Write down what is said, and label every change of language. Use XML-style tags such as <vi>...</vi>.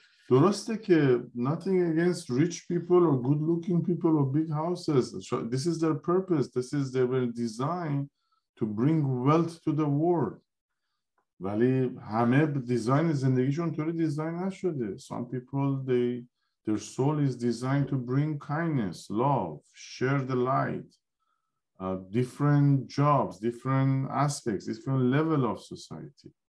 <fa>درسته که</fa> <en>nothing against rich people or good looking people or big houses. This is their purpose. This is they were designed to bring wealth to the world.</en> <fa>ولی همه دیزاین زندگیشون طوری دیزاین نشده.</fa> <en>Some people their soul is designed to bring kindness, love, share the light, different jobs, different aspects, different level of society.</en>